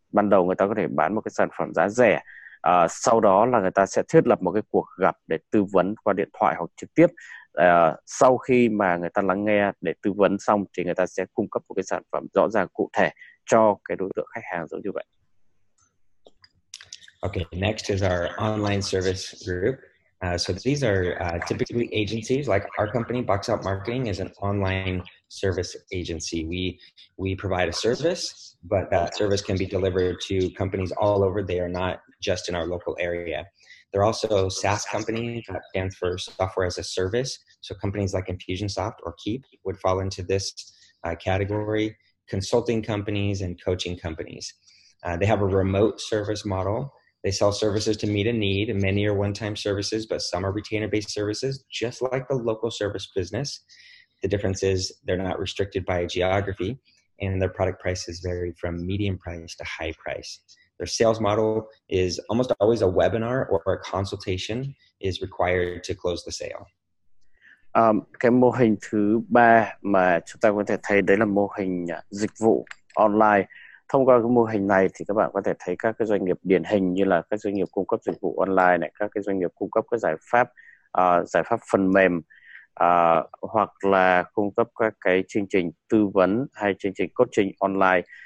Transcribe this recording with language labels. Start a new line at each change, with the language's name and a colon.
Vietnamese: Ban đầu người ta có thể bán một cái sản phẩm giá rẻ. Sau đó là người ta sẽ thiết lập một cái cuộc gặp để tư vấn qua điện thoại hoặc trực tiếp. Sau khi mà người ta lắng nghe để tư vấn xong thì người ta sẽ cung cấp một cái sản phẩm rõ ràng cụ thể cho cái đối tượng khách hàng giống như vậy.
English: Okay, next is our online service group. So these are typically agencies like our company, Box Out Marketing, is an online service agency. We provide a service, but that service can be delivered to companies all over. They are not just in our local area. They're also SaaS companies, that stands for software as a service. So companies like Infusionsoft or Keep would fall into this category, consulting companies and coaching companies. They have a remote service model. They sell services to meet a need. Many are one-time services, but some are retainer-based services, just like the local service business. The difference is they're not restricted by geography, and their product prices vary from medium price to high price. Their sales model is almost always a webinar or a consultation is required to close the sale.
Vietnamese: Cái mô hình thứ ba mà chúng ta có thể thấy đấy là mô hình dịch vụ online. Thông qua cái mô hình này thì các bạn có thể thấy các cái doanh nghiệp điển hình như là các doanh nghiệp cung cấp dịch vụ online này, các cái doanh nghiệp cung cấp các giải pháp phần mềm hoặc là cung cấp các cái chương trình tư vấn hay chương trình coaching online.